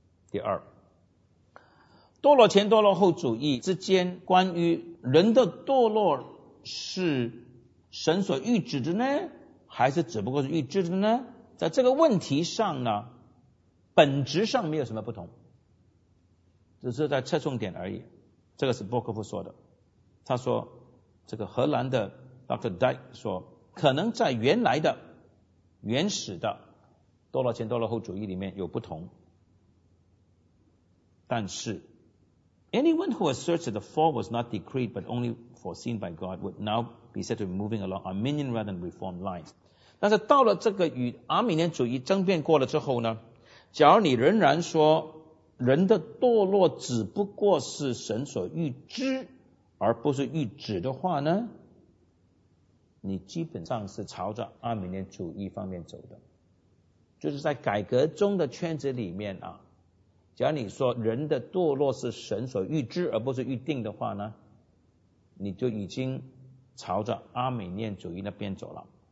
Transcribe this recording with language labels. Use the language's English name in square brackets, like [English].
[Chinese] 第二，堕落前堕落后主义之间，关于人的堕落是神所预知的呢，还是只不过是预知的呢？在这个问题上呢，本质上没有什么不同，只是在侧重点而已。这个是波克夫说的，他说这个荷兰的 Dr. [English] Dyke [Chinese] 说，可能在原来的原始的堕落前堕落后主义里面有不同，但是 [English] Anyone who asserts that the fall was not decreed but only foreseen by God would now be said to be moving along Arminian rather than Reformed lines。 [Chinese] 但是到了这个与阿米尼主义争辩过了之后呢，假如你仍然说人的堕落只不过是神所预知而不是预知的话呢，你基本上是朝着阿米尼主义方面走的，就是在改革中的圈子里面啊，假如你说人的堕落是神所预知而不是预定的话呢，你就已经朝着阿米尼主义那边走了。